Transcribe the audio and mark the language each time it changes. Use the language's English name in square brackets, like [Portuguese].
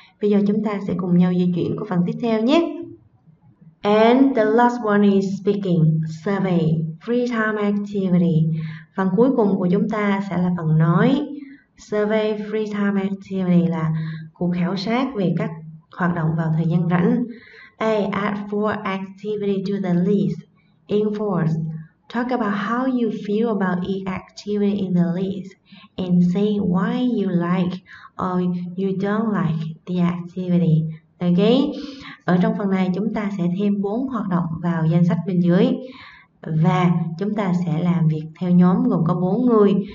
[Vietnamese] Bây giờ chúng ta sẽ cùng nhau di chuyển qua phần tiếp theo nhé. [English] And the last one is speaking, survey, free time activity. [Vietnamese] Phần cuối cùng của chúng ta sẽ là phần nói. Survey free time activity là cuộc khảo sát về các hoạt động vào thời gian rảnh. [English] A, add four activity to the list. In fourth, talk about how you feel about each activity in the list and say why you like or you don't like the activity. Okay. [Vietnamese] Ở trong phần này chúng ta sẽ thêm 4 hoạt động vào danh sách bên dưới. Và chúng ta sẽ làm việc theo nhóm gồm có 4 người.